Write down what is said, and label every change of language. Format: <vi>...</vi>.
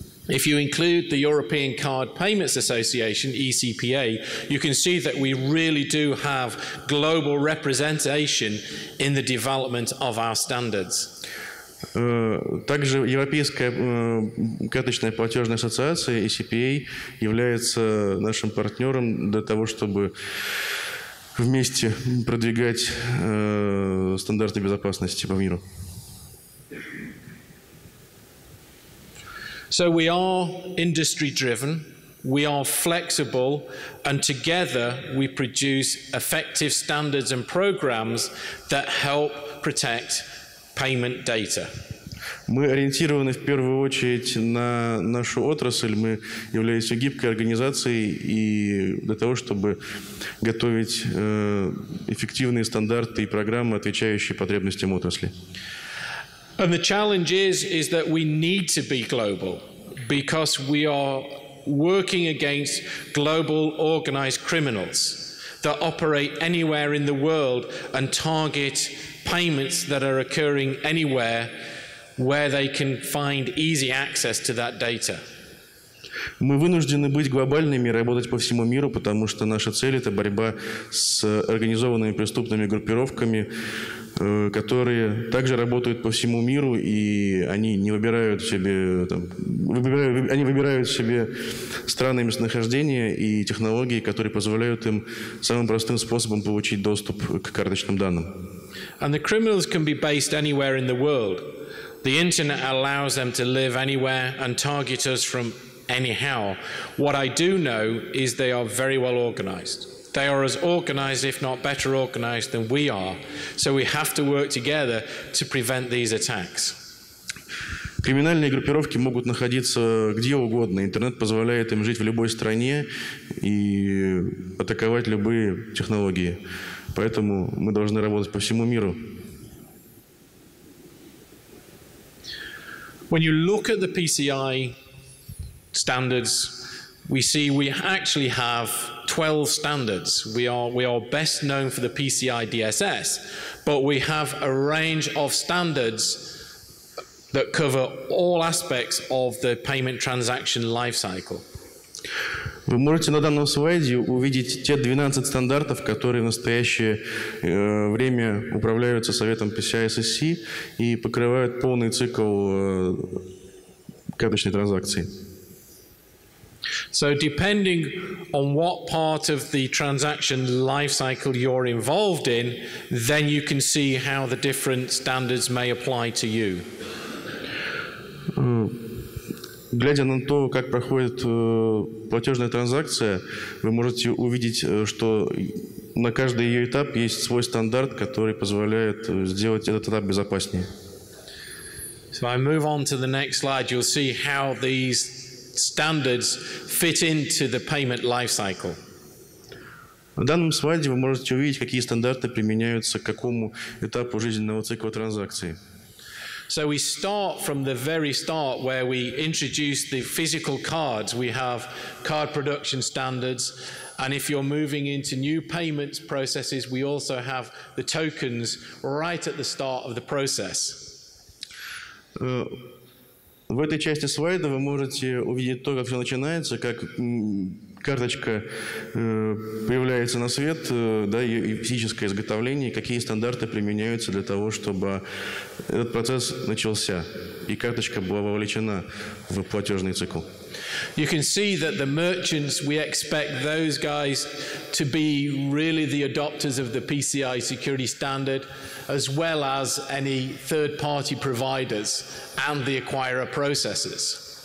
<en>If you include the European Card Payments Association, ECPA, you can see that we really do have global representation in the development of our standards.</en> <ru>Также Европейская карточная платежная ассоциация, ECPA, является нашим партнером для того, чтобы вместе продвигать стандарты безопасности по миру.</ru> <en>So we are industry-driven, we are flexible, and together we produce effective standards and programs that help protect payment data.</en> <ru>Мы ориентированы в первую очередь на нашу отрасль. Мы являемся гибкой организацией и для того, чтобы готовить эффективные стандарты и программы, отвечающие потребностям отрасли.</ru> <en>And the challenge is that we need to be global, because we are working against global organized criminals that operate anywhere in the world and target payments that are occurring anywhere where they can find easy access to that data.</en> <ru>Мы вынуждены быть глобальными, работать по всему миру, потому что наша цель – это борьба с организованными преступными группировками, которые также работают по всему миру, и они не выбирают себе, они выбирают себе страны местонахождения и технологии, которые позволяют им самым простым способом получить доступ к карточным данным.</ru> <en>And the criminals can be based anywhere in the world. The internet allows them to live anywhere and target us from anyhow. What I do know is they are very well organized. They are as organized, if not better organized, than we are. So we have to work together to prevent these attacks.</en> <ru>Криминальные группировки могут находиться где угодно. Интернет позволяет им жить в любой стране и атаковать любые технологии. Поэтому мы должны работать по всему миру.</ru> <en>When you look at the PCI standards, we see we actually have 12 standards. We are best known for the PCI DSS, but we have a range of standards that cover all aspects of the payment transaction lifecycle.</en> <ru>Вы можете на данном слайде увидеть те 12 стандартов, которые в настоящее время управляются Советом PCI SSC и покрывают полный цикл карточной транзакции.</ru> <en>So depending on what part of the transaction life cycle you're involved in, then you can see how the different standards may apply to you.</en> <ru>Глядя на то, как проходит платежная транзакция, вы можете увидеть, что на каждый ее этап есть свой стандарт, который позволяет сделать этот этап безопаснее.</ru> <en>So I move on to the next slide, you'll see how these standards fit into the payment life cycle.</en> <ru>На данном слайде вы можете увидеть, какие стандарты применяются к какому этапу жизненного цикла транзакции.</ru> <en>So we start from the very start where we introduce the physical cards. We have card production standards, and if you're moving into new payments processes, we also have the tokens right at the start of the process.</en> <ru>В этой части слайда вы можете увидеть то, как все начинается, как карточка появляется на свет, да, и физическое изготовление, какие стандарты применяются для того, чтобы этот процесс начался, и карточка была вовлечена в платежный цикл.</ru> <en>You can see that the merchants, we expect those guys to be really the adopters of the PCI security standard, as well as any third-party providers and the acquirer processors.</en>